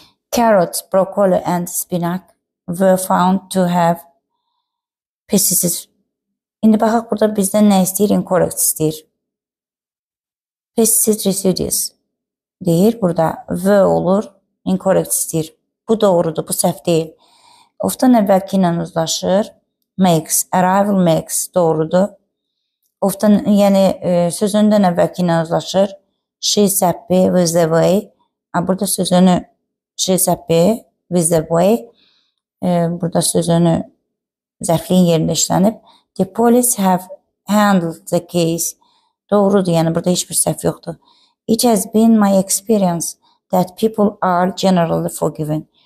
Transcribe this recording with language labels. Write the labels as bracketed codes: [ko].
[en] Carrots, broccoli and spinach were found to have pesticides. [az] İndi baxaq burada bizdən nə istəyir? [en] Incorrect [az] istəyir. [en] Pesticide residues [az] deyir. Burada V olur. Incorrect istəyir. Bu doğrudur. Bu səhv deyil. Ofdan əvvəlki ilə uzlaşır. Makes. [en] Arrival makes. [az] Doğrudur. Ofdan, yəni sözündən əvvəlki ilə uzlaşır. [en] She's happy with the way. [az] Burada sözünü [en] she's happy with the way. [az] Burada sözünü zərfliyin yerində işlənib. [en] The police have handled the case. [az] Doğrudur, yəni burada heç bir səhv yoxdur. [en] It has been my experience that people are generally forgiven.